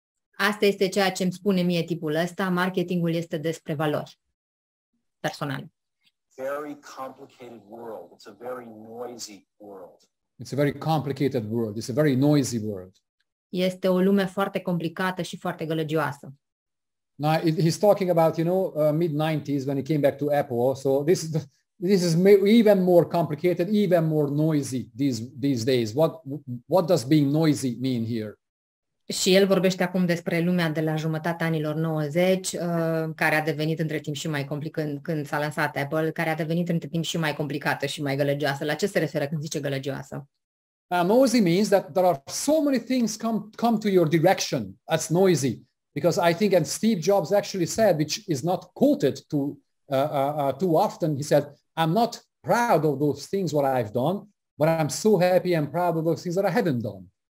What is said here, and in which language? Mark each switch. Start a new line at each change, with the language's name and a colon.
Romanian: Asta este ceea ce îmi spune mie tipul ăsta. Marketingul este despre valori personale.
English: Very complicated world. It's a very noisy world. It's a very complicated world. It's a very noisy world.
Romanian: Este o lume foarte complicată și foarte gălăgioasă.
English: Now he's talking about, you know, mid-90s when he came back to Apple. So this is even more complicated, even more noisy these days. What does being noisy mean here?
Romanian: Și el vorbește acum despre lumea de la jumătatea anilor 90, care a devenit între timp și mai complicată când s-a lansat Apple, care a devenit între timp și mai complicată și mai gălăgioasă. La ce se referă când zice gălăgioasă?
English: Noisy means that there are so many things come to your direction. That's noisy. Because I think, and Steve Jobs actually said, which is not quoted too often, he said, I'm not proud of those things what I've done, but I'm so happy and proud of those things that I haven't done.